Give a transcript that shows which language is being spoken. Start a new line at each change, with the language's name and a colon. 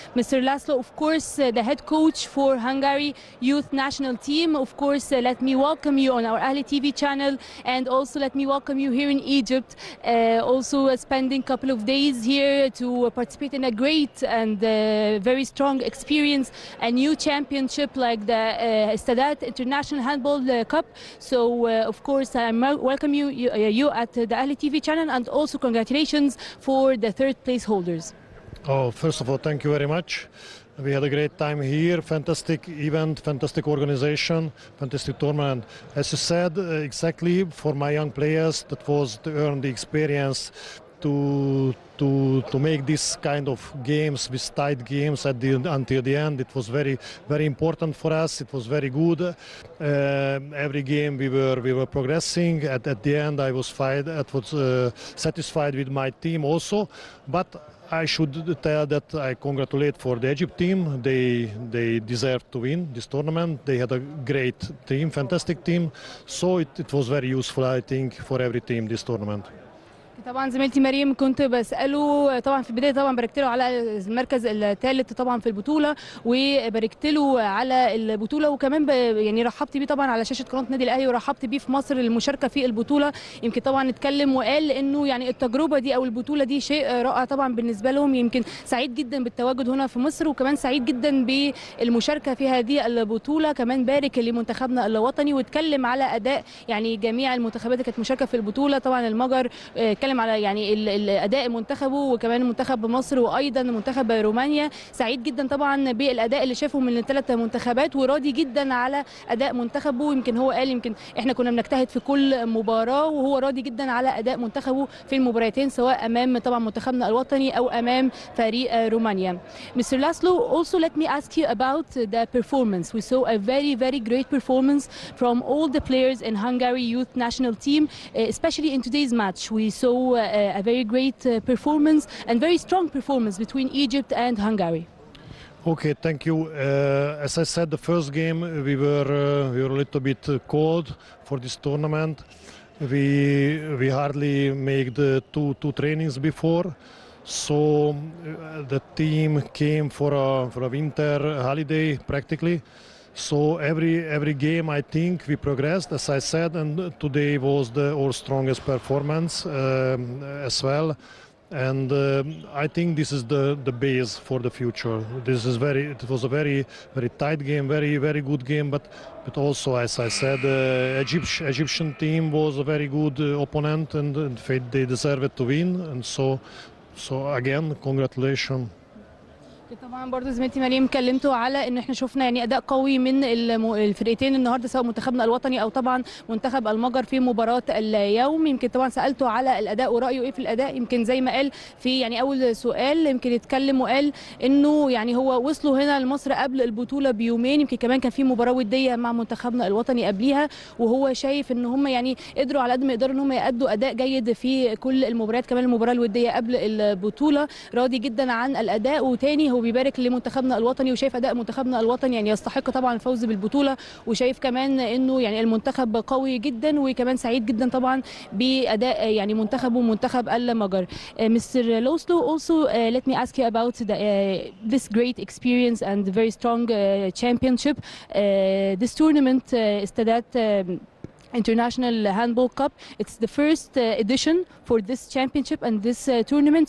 English: Mister Laszlo, of course the head coach for Hungary youth national team, of course let me welcome you on our اهلي T V channel, and also let me welcome you here in Egypt, also spending couple of days here to participate in a great and very strong experience, a new championship like the Sadat International Handball Cup. So of course I welcome you at the Ahli TV channel, and also congratulations for the third place holders. Oh, first of all, thank you very much. We had a great time here, fantastic event, fantastic organization, fantastic tournament. As you said, exactly for my young players, that was to earn the experience to make this kind of games, with tight games at the until the end. It was very, very important for us. It was very good. Every game we were progressing. At the end, I was fine. I was satisfied with my team also, but I should tell that I congratulate for the Egypt team. They deserve to win this tournament. They had a great team, fantastic team. So it was very useful, I think, for every team this tournament.
Arabic: طبعا زميلتي مريم كنت بساله طبعا في البدايه، طبعا باركت له على المركز الثالث طبعا في البطوله، وباركت له على البطوله، وكمان يعني رحبت بيه طبعا على شاشه قناه النادي الاهلي، ورحبت بيه في مصر للمشاركه في البطوله. يمكن طبعا اتكلم وقال انه يعني التجربه دي او البطوله دي شيء رائع طبعا بالنسبه لهم، يمكن سعيد جدا بالتواجد هنا في مصر، وكمان سعيد جدا بالمشاركه في هذه البطوله، كمان بارك لمنتخبنا الوطني، واتكلم على اداء يعني جميع المنتخبات كانت مشاركه في البطوله. طبعا المجر اتكلم على يعني الاداء منتخبه، وكمان منتخب مصر، وايضا منتخب رومانيا. سعيد جدا طبعا بالاداء اللي شافه من الثلاث منتخبات، وراضي جدا على اداء منتخبه. يمكن هو قال يمكن احنا كنا بنجتهد في كل مباراه، وهو راضي جدا على اداء منتخبه في المباراتين، سواء امام طبعا منتخبنا الوطني او امام فريق رومانيا.
English: Mister Laszlo, also let me ask you about the performance. We saw a very very great performance from all the players in Hungary youth national team, especially in today's match. We saw a very great performance and very strong performance between Egypt and Hungary. Okay, thank you. As I said, the first game we were a little bit cold for this tournament. We hardly made two trainings before, so the team came for a winter holiday practically. So every game I think we progressed, as I said, and today was the our strongest performance as well. And I think this is the base for the future. This is very, it was a very very tight game, very very good game, but also, as I said, the Egyptian team was a very good opponent, and they deserved to win. And so again, congratulations.
Arabic: طبعا برضه زميلتي مريم كلمته على ان احنا شفنا يعني اداء قوي من الفرقتين النهارده، سواء منتخبنا الوطني او طبعا منتخب المجر في مباراه اليوم. يمكن طبعا سالته على الاداء ورايه ايه في الاداء، يمكن زي ما قال في يعني اول سؤال، يمكن يتكلم وقال انه يعني هو وصلوا هنا لمصر قبل البطوله بيومين، يمكن كمان كان في مباراه وديه مع منتخبنا الوطني قبليها، وهو شايف ان هم يعني قدروا على قد ما يقدروا ان هم يادوا اداء جيد في كل المباريات، كمان المباراه الوديه قبل البطوله. راضي جدا عن الاداء، وتاني هو بيبارك لمنتخبنا الوطني، وشايف اداء منتخبنا الوطني يعني يستحق طبعا الفوز بالبطوله، وشايف كمان انه يعني المنتخب قوي جدا، وكمان سعيد جدا طبعا باداء يعني منتخبه منتخب المجر.
English: Mister Laszlo, also let me ask you about this great experience and very strong championship. This tournament is that International Handball Cup. It's the first edition for this championship and this tournament.